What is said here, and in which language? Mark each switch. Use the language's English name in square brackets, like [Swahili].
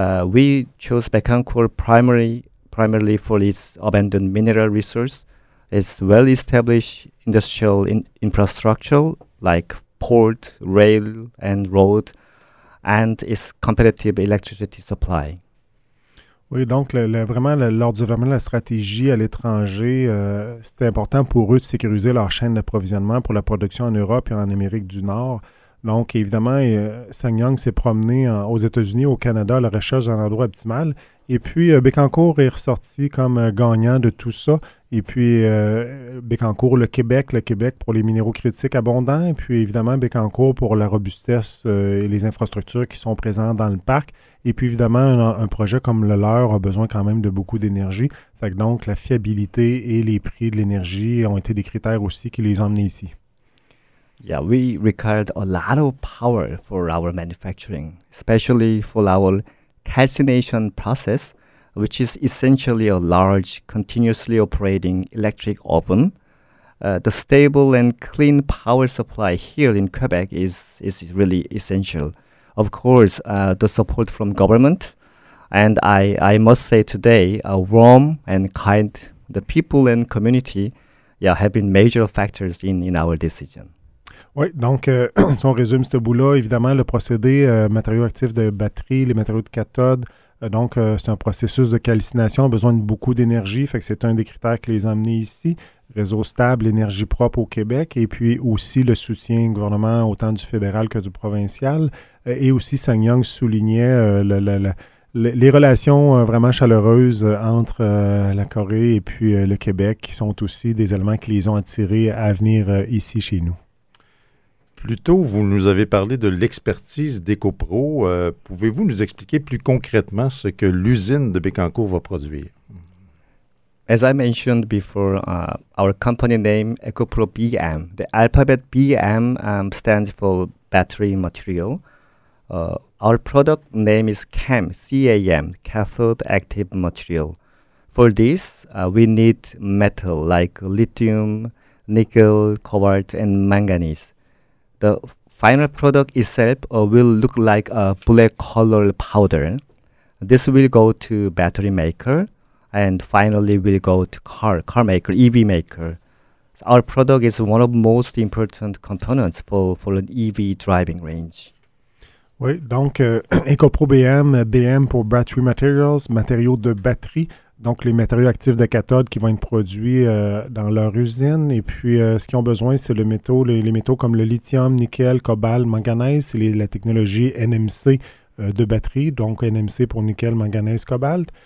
[English] We chose Bécancour primarily for its abundant mineral resource. It's well-established industrial infrastructure like port, rail, and road, and its competitive electricity supply. [French] Oui, donc lors du développement de la stratégie à l'étranger, c'était important pour eux de sécuriser leur chaîne d'approvisionnement pour la production en Europe et en Amérique du Nord. Donc, évidemment, SsangYong s'est promené aux États-Unis, au Canada, à la recherche d'un endroit optimal. Et puis, Bécancour est ressorti comme gagnant de tout ça. Et puis, Bécancour, le Québec pour les minéraux critiques abondants. Et puis, évidemment, Bécancour pour la robustesse et les infrastructures qui sont présentes dans le parc. Et puis, évidemment, un projet comme le leur a besoin quand même de beaucoup d'énergie. Fait que donc, la fiabilité et les prix de l'énergie ont été des critères aussi qui les ont amenés ici. [English] Yeah, we required a lot of power for our manufacturing, especially for our calcination process, which is essentially a large, continuously operating electric oven. The stable and clean power supply here in Quebec is really essential. Of course, the support from government, and I must say today, warm and kind, the people and community have been major factors in our decision. [French] Oui, donc si on résume ce bout-là, évidemment, le procédé matériaux actifs de batterie, les matériaux de cathode, c'est un processus de calcination, a besoin de beaucoup d'énergie, fait que c'est un des critères qui les a amenés ici. Réseau stable, énergie propre au Québec, et puis aussi le soutien du gouvernement, autant du fédéral que du provincial. Et aussi, SsangYong soulignait les relations vraiment chaleureuses entre la Corée et puis le Québec, qui sont aussi des éléments qui les ont attirés à venir ici chez nous. Plus tôt, vous nous avez parlé de l'expertise d'EcoPro. Pouvez-vous nous expliquer plus concrètement ce que l'usine de Bécancour va produire? [English] As I mentioned before, our company name, EcoPro BM, the alphabet BM stands for battery material. Our product name is CAM, C-A-M, cathode active material. For this, we need metal like lithium, nickel, cobalt, and manganese. The final product itself will look like a black color powder. This will go to battery maker, and finally will go to car maker, EV maker. So our product is one of most important components for an EV driving range. [French] Oui, donc EcoPro BM, BM pour [English] Battery Materials, [French] matériaux de batterie, donc les matériaux actifs de cathode qui vont être produits dans leur usine. Et puis, ce qu'ils ont besoin, c'est le métaux, les métaux comme le lithium, nickel, cobalt, manganèse, c'est la technologie NMC de batterie, donc NMC pour nickel, manganèse, cobalt.